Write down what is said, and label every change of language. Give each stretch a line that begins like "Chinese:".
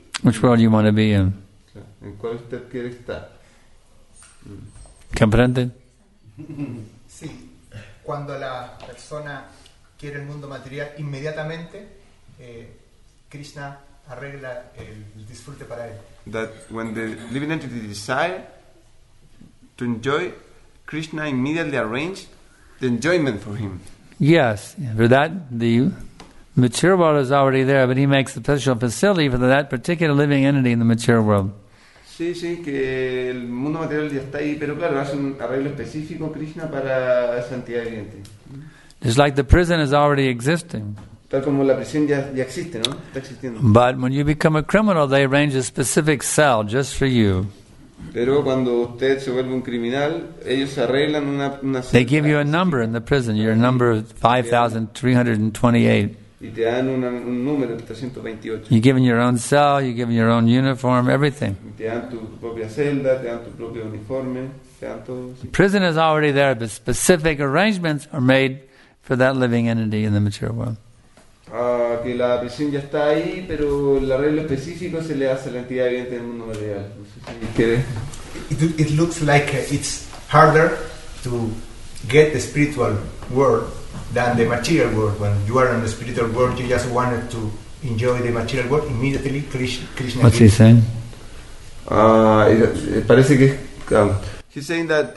English: Which world you want to be in?
Spanish: ¿En cuál usted quiere estar? ¿Comprende? Sí. Cuando la persona quiere el mundo material, inmediatamente Krishna arregla el disfrute para él.
English: That when the living entity desire to enjoy, Krishna immediately arranged the enjoyment for him. Yes, for that the mature world is already there, but he makes the special facility for that particular living entity in the mature world.
Spanish: Sí, sí, que el mundo material ya está ahí, pero claro, hace un arreglo específico Krishna para esa entidad viviente.
English: It's like the prison is already existing.
Spanish: Tal como la prisión ya existe, ¿no? Está existiendo.
English: But when you become a criminal, they arrange a specific cell just for you.
Spanish: Pero cuando usted se vuelve un criminal, ellos arreglan una celda.
English: They give you a number in the prison. Your number is 5,328.
Spanish: Y te dan un número, 328.
English: You're given your own cell, you're given your own uniform, everything.
Spanish: Te dan tu propia celda, te dan tu propio uniforme, te dan todo. Sí.
English: Prison is already there, but specific arrangements are made for that living entity in the material world.
Spanish: Que la prisión ya está ahí, pero el arreglo específico se le hace a la entidad viviente del mundo material. No sé si quiere.
English: It looks like it's harder to get the spiritual world than the material world. When you are in the spiritual world, you just wanted to enjoy the material world. Immediately, Krishna. What's he saying?
Spanish: Parece que.
English: He's saying that.